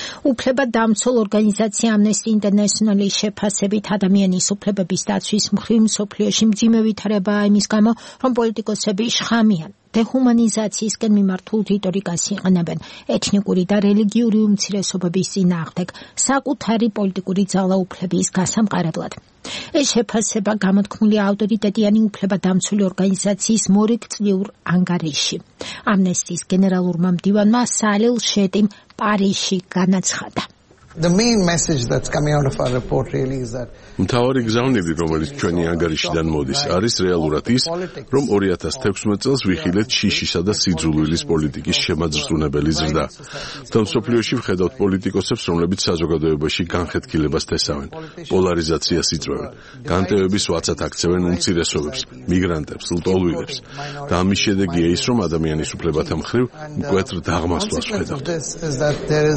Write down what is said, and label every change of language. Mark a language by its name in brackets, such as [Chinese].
[Georgian] უფლება დამცველ ორგანიზაცია Amnesty International-ის შეფასებით ადამიანის უფლებების დაცვის მხრივ მსოფლიოში მძიმე ვითარებაა იმის გამო, რომ პოლიტიკოსები შხამიან დეჰუმანიზაციისკენ მიმართულ რიტორიკას იყენებენ ეთნიკური და რელიგიური უმცირესობების წინააღმდეგ საკუთარი პოლიტიკური ძალაუფლების გასამყარებლად. ეს შეფასება გამოთქმულია ავტორიტეტიანი უფლებადამცველი ორგანიზაციის მორეკწლიურ ანგარიში. ამნესტის გენერალურმა მდივანმა სალილ შეტიმ პარიზში განაცხადა. [English] The main message that's coming out of our report really is that [Georgian] მთავარი გზავნილი, რომელიც ჩვენი ანგარიშიდან მოდის, არის რეალურად ის, რომ 2016 წელს ვიხილეთ შიშისა და სიძულვილის პოლიტიკის შემაძრწუნებელი ზრდა. თუმცა მსოფლიოში ვხედავთ პოლიტიკოსებს, რომლებიც საზოგადოებაში განხეთქილებას თესავენ, პოლარიზაციას იწვევენ, განტევების ვაცად აქცევენ უმცირესობებს, მიგრანტებს, ლტოლვილებს და ამის შედეგია ის, რომ ადამიანის უფლებათა მხრივ მკვეთრ დაღმასვლას ვხედავთ.